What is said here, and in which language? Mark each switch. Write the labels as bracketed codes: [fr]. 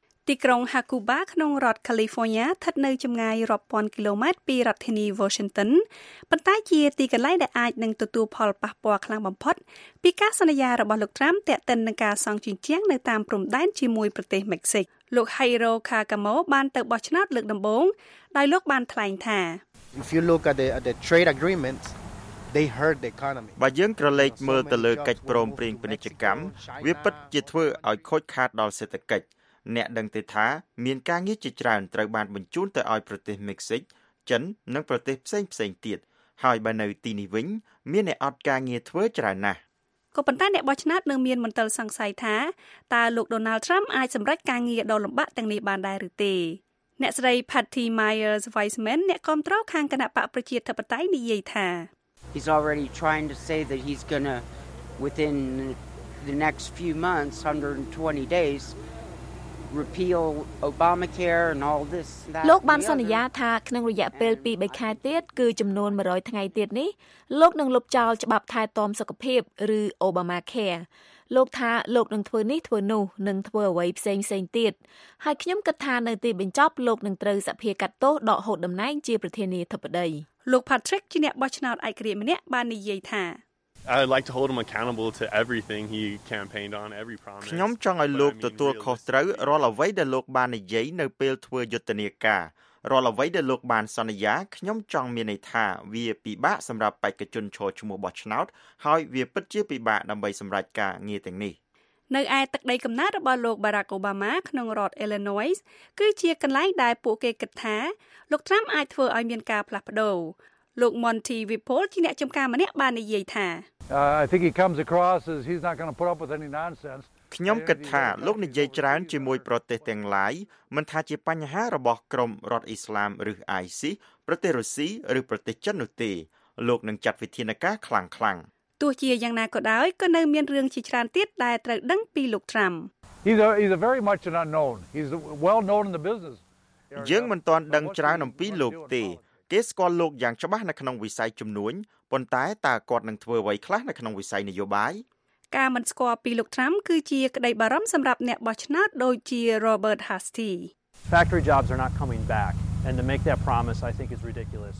[km] ទីក្រុង Hakuba ក្នុងរដ្ឋ California ស្ថិតនៅចម្ងាយរាប់ពាន់គីឡូម៉ែត្រពីរដ្ឋធានី Washington ប៉ុន្តែជាទីកន្លែងដែលអាចនឹងទទួលផលប៉ះពាល់ខ្លាំងបំផុតពីការសន្យារបស់លោកត្រាំតែកតិននឹងការសង់ជញ្ជាំងនៅតាមព្រំដែនជាមួយប្រទេសមិចស៊ិកលោក Hiro Kagamo បានទៅបោះឆ្នោតលើកដំបូងដោយលោកបានថ្លែងថា [en] If you look at the trade agreements they hurt the economy [km] បើយើងក្រឡេកមើលទៅលើកិច្ចព្រមព្រៀងពាណិជ្ជកម្មវាពិតជាធ្វើឲ្យខូចខាតដល់សេដ្ឋកិច្ចអ្នកដឹងទេថាមានការងារជាច្រើនត្រូវបានបញ្ជូនទៅឲ្យប្រទេសមិចស៊ិកចិននិងប្រទេសផ្សេងផ្សេងទៀតហើយបើនៅទីនេះវិញមានអ្នកអត់ការងារធ្វើច្រើនណាស់ក៏ប៉ុន្តែអ្នកបោះឆ្នោតនឹងមានមន្ទិលសង្ស័យថាតើលោកដូណាល់ត្រាំអាចសម្រេចការងារដ៏លំបាកទាំងនេះបានដែរឬទេអ្នកស្រី Patty Myers Weisman អ្នកគ្រប់គ្រងខាងគណៈបកប្រជាធិបតេយ្យនិយាយថា [en] He's already trying to say that he's going to within the next few months 120 days repeal Obamacare and all this that [km] លោកបានសន្យាថាក្នុងរយៈពេល2 3ខែទៀតគឺចំនួន100ថ្ងៃទៀតនេះលោកនឹងលុបចោលច្បាប់ថែទាំសុខភាពឬ Obamacare លោកថាលោកនឹងធ្វើនេះធ្វើនោះនឹងធ្វើអ្វីផ្សេងផ្សេងទៀតហើយខ្ញុំគិតថានៅទីបញ្ចប់លោកនឹងត្រូវសភាកាត់ទោសដកហូតតំណែងជាប្រធានាធិបតី លោក Patrick ជាអ្នកបោះឆ្នោតឯករាជ្យម្នាក់បាននិយាយថា [en] I'd like to hold him accountable to everything he campaigned on, every promise. [km] ខ្ញុំចង់ឲ្យលោកទទួលខុសត្រូវរាល់អ្វីដែលលោកបាននិយាយនៅពេលធ្វើយុទ្ធនាការរាល់អ្វីដែលលោកបានសន្យាខ្ញុំចង់មានន័យថាវាពិបាកសម្រាប់បេក្ខជនឈរឈ្មោះបោះឆ្នោតហើយវាពិតជាពិបាកដើម្បីសម្រេចការងារទាំងនេះ នៅឯទឹកដីកំណើតរបស់លោក Barack Obama ក្នុងរដ្ឋ Illinois គឺជាកន្លែងដែលពួកគេគិតថាលោក Trump អាចធ្វើឲ្យមានការផ្លាស់ប្ដូរលោក Monty Vipol ជាអ្នកចំការម្នាក់បាននិយាយថា [en] I think he comes across as he's not going to put up with any nonsense [km] ខ្ញុំគិតថាលោកនិយាយច្រើនជាមួយប្រទេសទាំងឡាយមិនថាជាបញ្ហារបស់ក្រុមរដ្ឋអ៊ីស្លាមឬ ISIS ប្រទេសរុស្ស៊ីឬប្រទេសចិននោះទេលោកនឹងចាត់វិធានការខ្លាំងខ្លាំង ទោះជាយ៉ាងណាក៏ដោយក៏នៅមានរឿងជាច្រើនទៀតដែលត្រូវដឹងពីលោក Trump [en] He's a very much an unknown he's well known in the business [km] យើងមិនទាន់ដឹងច្រើនអំពីលោកទេគេស្គាល់លោកយ៉ាងច្បាស់នៅក្នុងវិស័យជំនួញប៉ុន្តែតើគាត់នឹងធ្វើអ្វីខ្លះនៅក្នុងវិស័យនយោបាយ ការមិនស្គាល់ពីលោក Trump គឺជាក្តីបារម្ភសម្រាប់អ្នកបោះឆ្នោតដូចជា Robert Hastie [en] Factory jobs are not coming back and to make that promise I think is ridiculous